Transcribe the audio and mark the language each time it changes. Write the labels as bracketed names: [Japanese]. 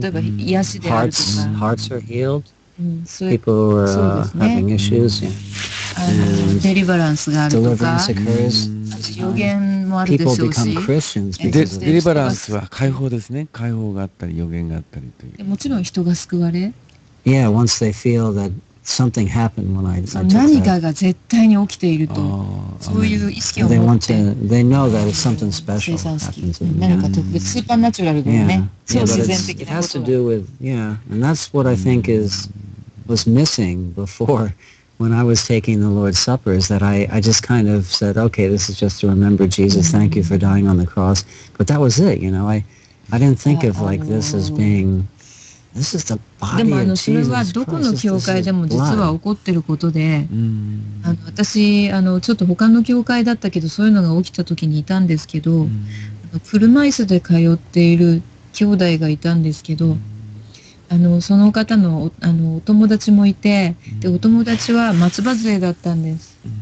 [Japanese] 例えば癒しであるとか。 [English] Hearts are healed. People are、ね、having issues. [Japanese] デリバランスがあるとか。予言もあるでしょうし、デリバランスは解放ですね。解放があったり、予言があったりという。もちろん人が救われ。 [English] Yeah, once they feel that something happened when I took that. [Japanese] 何かが絶対に起きていると、そういう意識を持って。 [English] They want to, they know that it's something special happens. [Japanese] 何か特別、スーパーナチュラルだよね。 [English] Yeah, yeah, but it has to do with, yeah, and that's what I think is, was missing before. When I was taking the Lord's Supper, is that I just kind of said, okay, this is just to remember Jesus. Thank you for dying on the cross. But that was it, you know. I didn't think of like this as being, this is the body of Jesus Christ. [Japanese] でもそれはどこの教会でも実は起こってることで、あの私あのちょっと他の教会だったけどそういうのが起きた時にいたんですけど、あの車椅子で通っている兄弟がいたんですけど、あのその方 の, あのお友達もいて、でお友達は松葉杖だったんです。